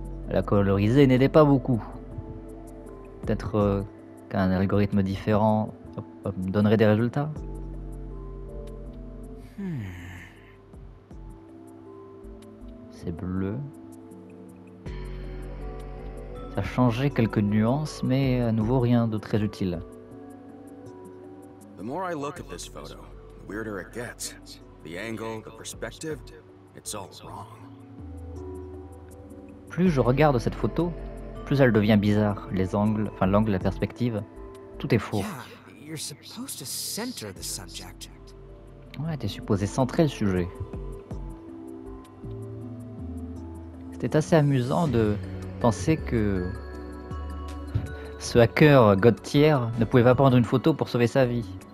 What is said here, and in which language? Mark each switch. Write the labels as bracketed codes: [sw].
[fr] La coloriser n'aidait pas beaucoup. Peut-être qu'un algorithme différent donnerait des résultats. C'est bleu. Ça a changé quelques nuances, mais à nouveau rien de très utile. [en] The more I look at this photo, the weirder it gets. The angle, the perspective, it's all wrong. [fr] Plus je regarde cette photo, plus elle devient bizarre. Les angles, enfin l'angle, la perspective, tout est faux. [en] Yeah, you're supposed to center the subject. [fr] Ouais, t'es supposé centrer le sujet. C'était assez amusant de penser que ce hacker Gauthier ne pouvait pas prendre une photo pour sauver sa vie.